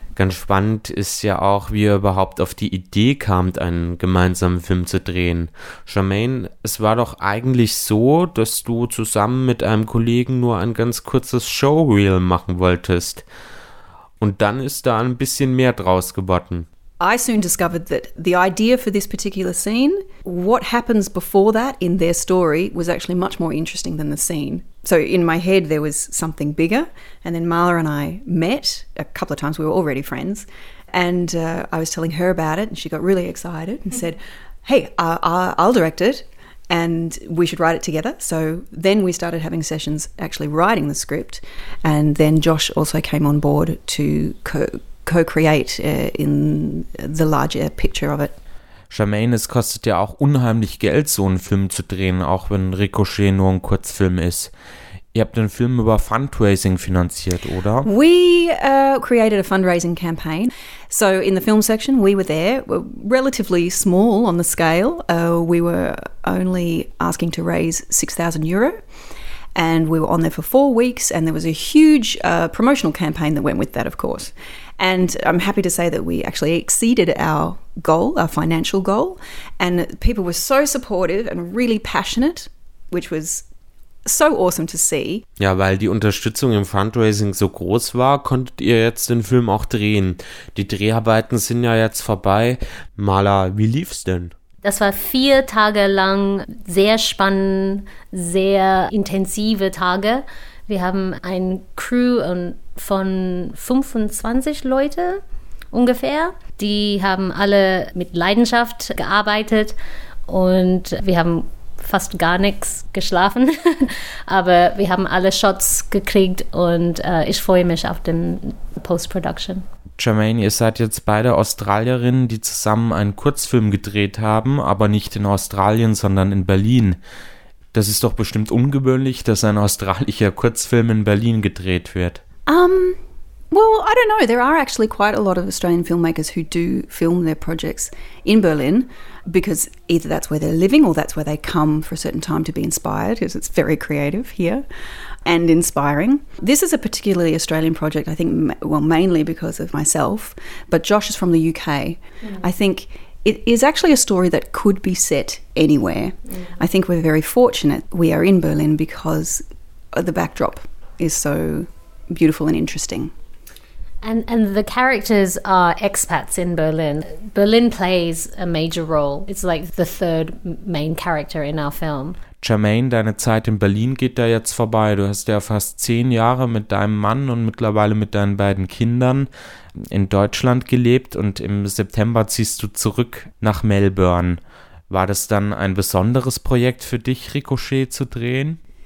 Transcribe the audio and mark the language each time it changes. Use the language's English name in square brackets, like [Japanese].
[German] Ganz spannend ist ja auch, wie ihr überhaupt auf die Idee kamt, einen gemeinsamen Film zu drehen. Jermaine, es war doch eigentlich so, dass du zusammen mit einem Kollegen nur ein ganz kurzes Showreel machen wolltest. Und dann ist da ein bisschen mehr draus geworden. [English] I soon discovered that the idea for this particular scene, what happens before that in their story, was actually much more interesting than the scene. So in my head there was something bigger, and then Mala and I met a couple of times, we were already friends, and I was telling her about it, and she got really excited and said, hey, I'll direct it, and we should write it together. So then we started having sessions actually writing the script, and then Josh also came on board to co-create in the larger picture of it. [German] Jermaine, es kostet ja auch unheimlich Geld, so einen Film zu drehen, auch wenn Ricochet nur ein Kurzfilm ist. Ihr habt den Film über Fundraising finanziert, oder? [English] We created a fundraising campaign. So in the film section, we were there, relatively small on the scale. We were only asking to raise 6,000 euro. And we were on there for 4 weeks, and there was a huge promotional campaign that went with that, of course. And I'm happy to say that we actually exceeded our goal, our financial goal, and people were so supportive and really passionate, which was so awesome to see. [German] Ja, weil die Unterstützung im Fundraising so groß war, konntet ihr jetzt den Film auch drehen. Die Dreharbeiten sind ja jetzt vorbei. Mala, wie lief's denn? Das war 4 Tage lang sehr spannend, sehr intensive Tage. Wir haben ein Crew von 25 Leute ungefähr. Die haben alle mit Leidenschaft gearbeitet und wir haben fast gar nichts geschlafen. Aber wir haben alle Shots gekriegt und ich freue mich auf den Post-Production. Jermaine, ihr seid jetzt beide Australierinnen, die zusammen einen Kurzfilm gedreht haben, aber nicht in Australien, sondern in Berlin. Das ist doch bestimmt ungewöhnlich, dass ein australischer Kurzfilm in Berlin gedreht wird. [English] Well, I don't know. There are actually quite a lot of Australian filmmakers who do film their projects in Berlin, because either that's where they're living or that's where they come for a certain time to be inspired, because it's very creative here and inspiring. This is a particularly Australian project, I think, mainly because of myself, but Josh is from the UK. Mm. I think it is actually a story that could be set anywhere. Mm. I think we're very fortunate we are in Berlin because the backdrop is so beautiful and interesting. And the characters are expats in Berlin. Berlin plays a major role. It's like the third main character in our film. [German] Jermaine, deine Zeit in Berlin geht da jetzt vorbei. Du hast ja fast 10 Jahre mit deinem Mann und mittlerweile mit deinen beiden Kindern in Deutschland gelebt und im September ziehst du zurück nach Melbourne. War das dann ein besonderes Projekt für dich, Ricochet zu drehen?